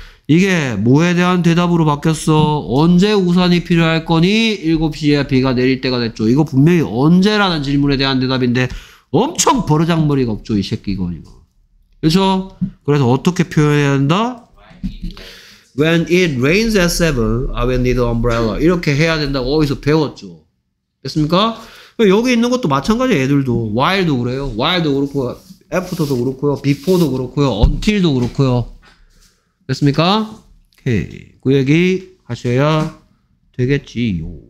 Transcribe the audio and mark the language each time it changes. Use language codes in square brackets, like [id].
[ko] 이게 뭐에 대한 대답으로 바뀌었어? 언제 우산이 필요할 거니? 7시에 비가 내릴 때가 됐죠. 이거 분명히 언제라는 질문에 대한 대답인데 엄청 버르장머리가 없죠. 이 새끼 이거. 그렇죠? 그래서 어떻게 표현해야 된다? [en] When it rains at 7, I will need an umbrella. [ko] 이렇게 해야 된다고 어디서 배웠죠. 됐습니까? 여기 있는 것도 마찬가지예요, 애들도. while도 그래요. while도 그렇고요. after도 그렇고요. before도 그렇고요. until도 그렇고요. 됐습니까? 오케이. 그 얘기 하셔야 되겠지요.